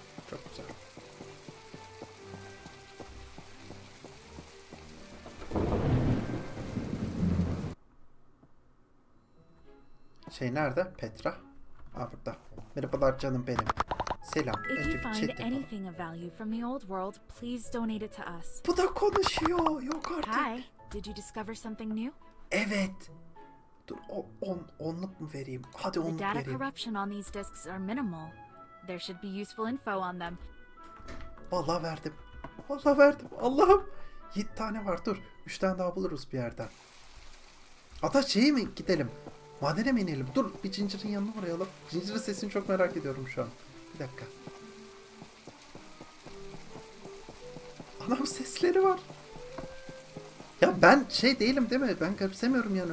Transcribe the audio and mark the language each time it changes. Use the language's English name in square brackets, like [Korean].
[Turkish] Çok güzel. Şey nerede? Petra. Aa, burada. Merhabalar canım benim. Selam. [English] If you find anything of value from the old world, please donate it to us. [Turkish] Bu da konuşuyor. Yok artık. [English] Hi. Did you discover something new? [Turkish] Evet. Dur, onluk mu vereyim? Hadi onluk vereyim. [English] The data corruption on these disks are minimal. There should be useful info on them. [Turkish] Vallahi verdim. Vallahi verdim. Allah'ım. 7 tane var. Dur. 3 tane daha buluruz bir yerden. Ata şeye mi gidelim? Madene mi inelim? Dur, bir cincirin yanına uğrayalım. Cincirin sesini çok merak ediyorum şu an. Bir dakika. Anam, sesleri var. Ya ben şey değilim değil mi? Ben garipsemiyorum yani.